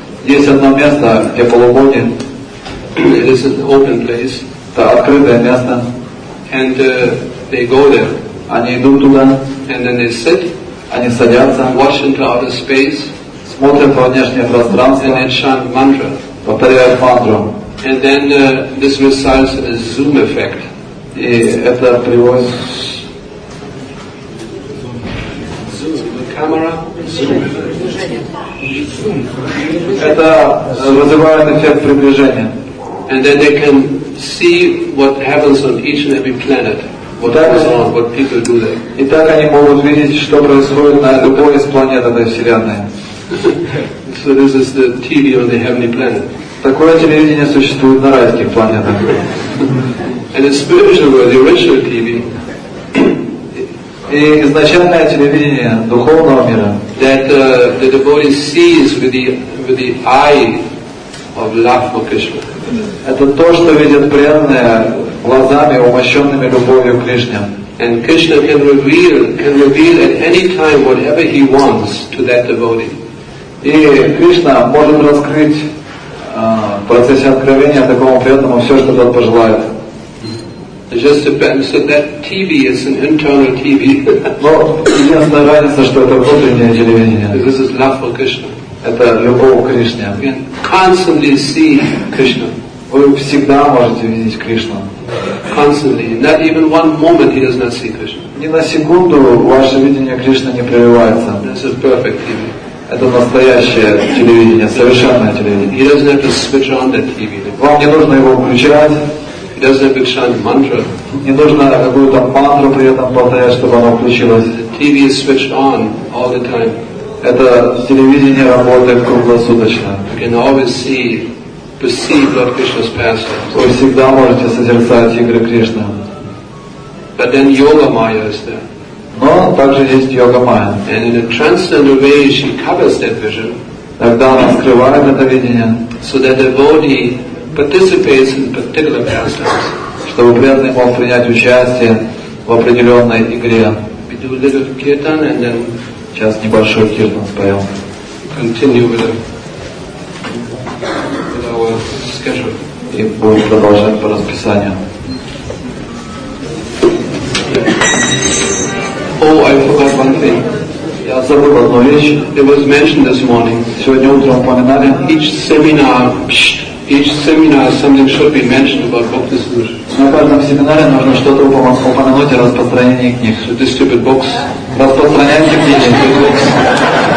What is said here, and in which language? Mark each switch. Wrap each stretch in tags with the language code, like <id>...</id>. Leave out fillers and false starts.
<ru>Есть одно место, где полубоги.</ru> <en>It is an open place.</en> <ru>Это открытое место.</ru> <en>And they go there.</en> <ru>Они идут туда.</ru> <en>And then they sit.</en> <ru>Они садятся.</ru> <en>Watch into outer space.</en> <ru>Смотрят во внешнее пространство.</ru> <en>And then chant mantra.</en> <ru>Повторяют мантру.</ru> <en>And then this results in a zoom effect.</en> <ru>И это приводит.</ru> <en>Zoom. The camera.</en> <ru>Это вызывает эффект приближения.</ru> <en>And then they can see what happens on each and every planet. What goes on, what people do there.</en> <ru>И так они могут видеть, что происходит на любой из планет этой вселенной.</ru> <en>So this is the TV on the heavenly planet.</en> <ru>Такое телевидение существует на райских планетах.</ru> <en>And the spiritual world, the original TV.</en> <ru>И изначальное телевидение духовного мира.</ru> <en>That the devotee sees with the eye of love for Krishna.</en> <ru>Это то, что видят преданные глазами, умощенными любовью к Кришне.</ru> <en>And Krishna can reveal at any time whatever he wants to that devotee.</en> <ru>И Кришна может раскрыть в процессе откровения такому преданному все, что тот пожелает.</ru> <en>Just depends. So that TV is an internal TV.</en> <ru>Единственная разница, что это внутреннее телевидение.</ru> <en>This is love for Krishna.</en> <ru>Это любовь к Кришне.</ru> <en>Constantly see Krishna.</en> <ru>Вы всегда можете видеть Кришну.</ru> <en>Constantly. Not even one moment he does not see Krishna.</en> <ru>Ни на секунду ваше видение Кришны не прерывается.</ru> <en>This is perfect TV.</en> <ru>Это настоящее телевидение, совершенное телевидение.</ru> <en>He doesn't have to switch on that TV.</en> <ru>Вам не нужно его включать.</ru> <en>He doesn't have to chant mantra.</en> <ru>Не нужно какую-то мантру при этом повторять, чтобы оно включилось.</ru> <en>The TV is switched on all the time.</en> <ru>Это телевидение работает круглосуточно.</ru> <en>You can always see, perceive Lord Krishna's pastimes.</en> <ru>Вы всегда можете созерцать игры Кришны.</ru> <en>But then yoga maya is there.</en> <ru>Но также есть йога майя.</ru> <en>And in a transcendental way she covers that vision.</en> <ru>Тогда она скрывает это видение.</ru> <en>So that the devotee participates in particular pastimes.</en> <ru>Чтобы преданный мог принять участие в определенной игре.</ru> <en>We do a little kirtan and then</en> <ru>сейчас небольшой кирпан споем.</ru> <en>Continue with our schedule.</en> <ru>И будем продолжать по расписанию.</ru> <en>Oh, I forgot one thing.</en> <ru>Я забыл одну вещь.</ru> <en>It was mentioned this morning.</en> <ru>Сегодня утром упоминали.</ru> <en>Each seminar something should be mentioned about book distribution.</en> <ru>На каждом семинаре нужно что-то упомянуть о распространении книг.</ru> <en>To distribute books.</en> <ru>Распространяйте книги.</ru>